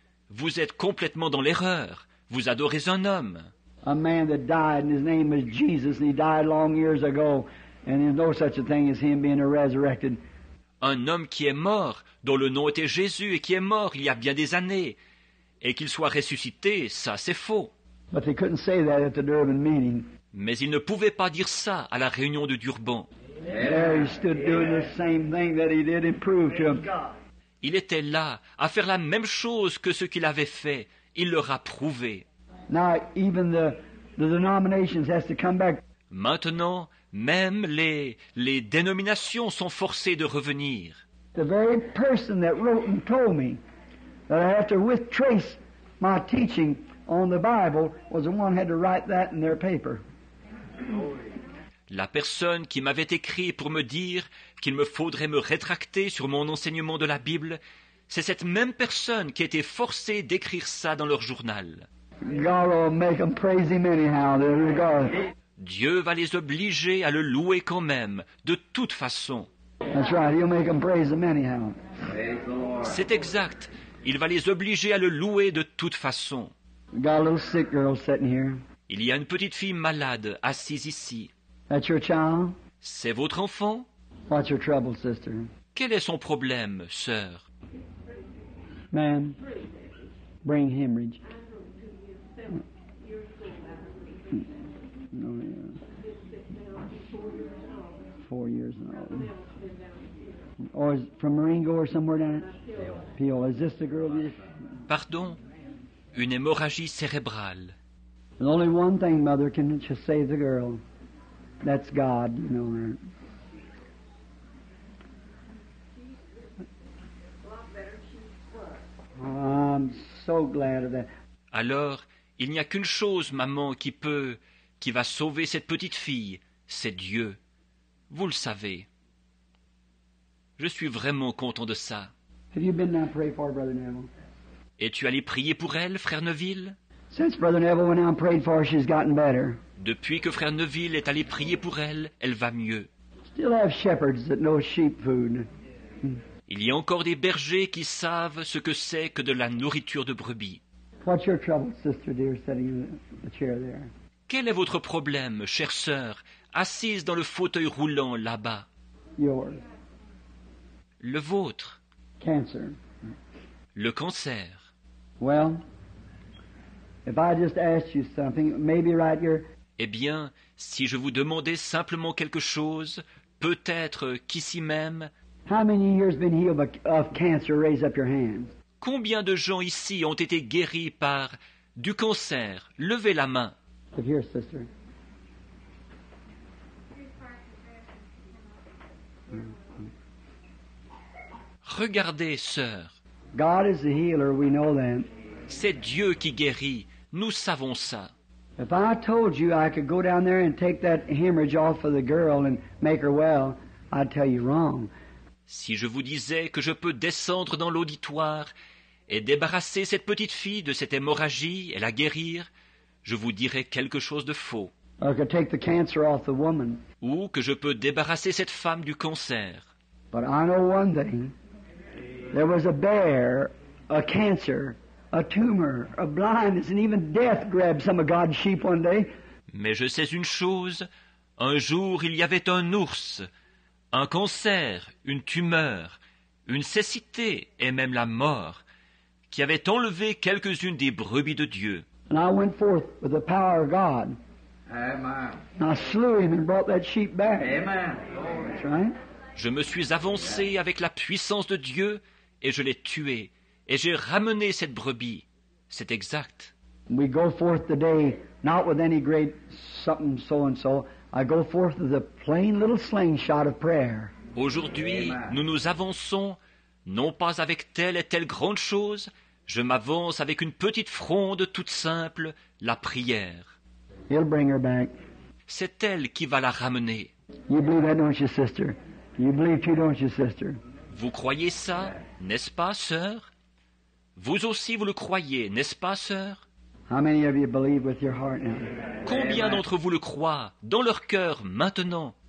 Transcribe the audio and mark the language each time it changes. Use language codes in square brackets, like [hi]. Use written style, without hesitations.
[fr] Vous êtes complètement dans l'erreur. Vous adorez un homme. » [en] A man that died, and his name was Jesus, and he died long years ago, and there's no such a thing as him being resurrected. [fr] Un homme qui est mort, dont le nom était Jésus, et qui est mort il y a bien des années, et qu'il soit ressuscité, ça c'est faux. [en] But they couldn't say that at the Durban meeting. [fr] Mais ils ne pouvaient pas dire ça à la réunion de Durban. [en] Yeah. There he stood doing the same thing that he did and proved to him. [fr] Il était là à faire la même chose que ce qu'il avait fait. Il leur a prouvé. [en] Now even the denominations has to come back. [fr] Maintenant, même les dénominations sont forcées de revenir. [en] The very person that wrote and told me that I have to retrace my teaching on the Bible was the one who had to write that in their paper. [fr] La personne qui m'avait écrit pour me dire qu'il me faudrait me rétracter sur mon enseignement de la Bible, c'est cette même personne qui était forcée d'écrire ça dans leur journal. [en] God will make them praise him anyhow. God. [fr] Dieu va les obliger à le louer quand même, de toute façon. [en] That's right. He'll make them praise him anyhow. [fr] C'est exact. Il va les obliger à le louer de toute façon. [en] Got a little sick girl sitting here. [fr] Il y a une petite fille malade assise ici. [en] That's your child? [fr] C'est votre enfant? [en] What's your trouble, sister? [fr] Quel est son problème, sœur? [en] Ma'am, bring hemorrhage. No, yeah. 4 years and all. Or is it from Marengo or somewhere down there? Peola. Is this the girl you... [fr] Pardon, une hémorragie cérébrale. [en] There's only one thing, Mother, can just save the girl. That's God, you know. I'm so glad of that. [fr] Alors, il n'y a qu'une chose, maman, qui peut, qui va sauver cette petite fille, c'est Dieu. Vous le savez. Je suis vraiment content de ça. [en] Have you been down to pray for her, Brother Neville? [fr] Es-tu allé prier pour elle, frère Neville? [en] Since Brother Neville went out and prayed for her, she's gotten better. [fr] Depuis que frère Neville est allé prier pour elle, elle va mieux. [en] Still have shepherds that know sheep food. [fr] Il y a encore des bergers qui savent ce que c'est que de la nourriture de brebis. [en] What's your trouble, sister dear, sitting in the chair there? [fr] Quel est votre problème, chère sœur, assise dans le fauteuil roulant là-bas? [en] Yours. [fr] Le vôtre. [en] Cancer. [fr] Le cancer. [en] Well, if I just asked you something, maybe right here. [fr] Eh bien, si je vous demandais simplement quelque chose, peut-être qu'ici même. [en] How many here have been healed of cancer? Raise up your hands. [fr] Combien de gens ici ont été guéris par du cancer? Levez la main. [en] Look here, sister. [fr] Regardez, sœur. [en] God is the healer, we know that. [fr] C'est Dieu qui guérit, nous savons ça. [en] If I told you I could go down there and take that hemorrhage off of the girl and make her well, I'd tell you wrong. [fr] Si je vous disais que je peux descendre dans l'auditoire et débarrasser cette petite fille de cette hémorragie et la guérir, je vous dirais quelque chose de faux. [en] I could take the cancer off the woman. [fr] Ou que je peux débarrasser cette femme du cancer. [en] But I know one thing. There was a bear, a cancer, a tumor, a blindness, and even death grabbed some of God's sheep one day. [fr] Mais je sais une chose. Un jour, il y avait un ours, un cancer, une tumeur, une cécité et même la mort qui avaient enlevé quelques-unes des brebis de Dieu. [en] And I went forth with the power of God. Amen. And I slew him and brought that sheep back. Amen. That's right. [fr] Je me suis avancé avec la puissance de Dieu et je l'ai tué. Et j'ai ramené cette brebis. C'est exact. [en] We go forth today, not with any great something so and so. I go forth with a plain little slingshot of prayer. [fr] Aujourd'hui, nous nous avançons, non pas avec telle et telle grande chose. Je m'avance avec une petite fronde toute simple, la prière. [en] He'll bring her back. [fr] C'est elle qui va la ramener. [en] You believe that, don't you, sister? You believe too, don't you, sister? [fr] Vous croyez ça, n'est-ce pas, sœur? Vous aussi, vous le croyez, n'est-ce pas, sœur? [en] How many of you believe with your heart now? [fr] Combien d'entre vous le croient dans leur cœur maintenant?